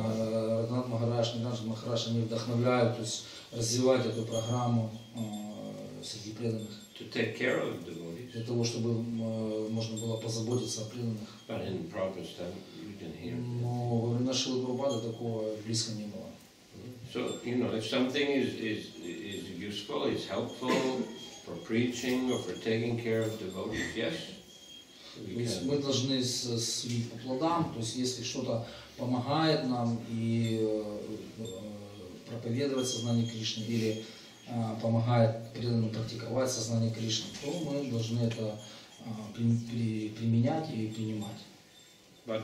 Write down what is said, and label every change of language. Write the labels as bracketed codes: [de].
[ru] Раднат Махарадж, Ниранджан Махарадж, они вдохновляют, то есть развивать эту программу среди преданных. [en] To take care of devotees. [ru] Для того, чтобы можно было позаботиться о преданных. [en] But in Prabhupada's time, you didn't hear. [ru] Но во время Шрилы Прабхупады такого близко не было. [en] So, you know, if something is useful, is helpful for preaching or for taking care of devotees, yes. [ru] То есть мы должны судить по плодам, то есть если что-то помогает нам и проповедовать сознание Кришны или помогает преданным практиковать сознание Кришны, то мы должны это применять и принимать.